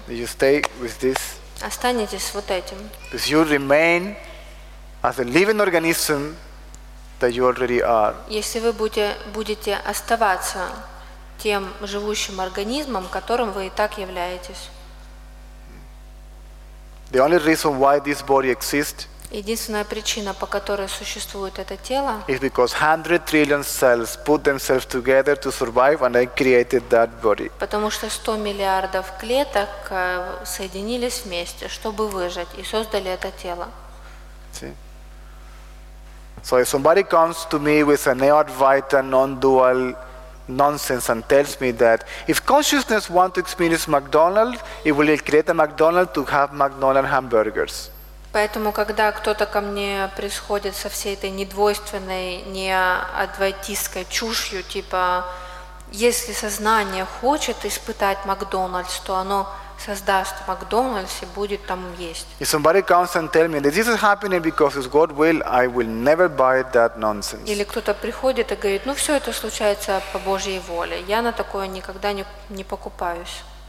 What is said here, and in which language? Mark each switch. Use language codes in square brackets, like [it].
[en] You stay with this. [ru] Останетесь вот этим. [en] Because you remain as a living organism that you already are. [ru] Если вы будете оставаться тем живущим организмом, которым вы и так являетесь. [en] The only reason why this body exists. [ru] Единственная причина, по которой существует это тело. [en] Is because 100 trillion cells put themselves together to survive, and they created that body. [ru] Потому что 100 миллиардов клеток соединились вместе, чтобы выжить, и создали это тело. [en] See? So if somebody comes to me with a neo-advaita non-dual nonsense and tells me that if consciousness wants to experience McDonald's, it will create a McDonald's to have McDonald's hamburgers. [ru] Поэтому, когда кто-то ко мне приходит со всей этой недвойственной, неадвайтистской чушью, типа, если сознание хочет испытать Макдональдс, то оно создаст Макдональдс и будет там есть. [en] If somebody comes and tells me that this is happening because it's God's will, I will never buy that nonsense. [ru] Или кто-то приходит и говорит, ну все это случается по Божьей воле, я на такое никогда не покупаюсь.